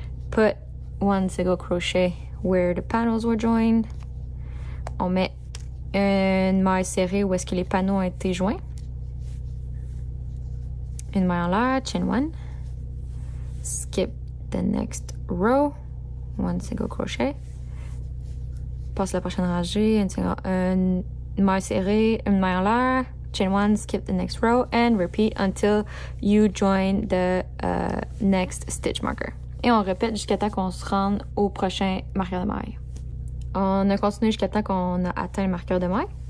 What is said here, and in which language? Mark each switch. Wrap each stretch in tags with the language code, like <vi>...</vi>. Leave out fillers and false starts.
<en>Put one single crochet where the panels were joined.</en> <fr>On met une maille serrée où est-ce que les panneaux ont été joints. Une maille en l'air,</fr> <en>chain 1. Skip the next row. One single crochet.</en> <fr>Passe la prochaine rangée. Une maille serrée, une maille en l'air.</fr> <en>Chain 1, skip the next row, and repeat until you join the next stitch marker.</en> <fr>Et on répète jusqu'à temps qu'on se rende au prochain marqueur de maille. On a continué jusqu'à temps qu'on a atteint le marqueur de maille.</fr>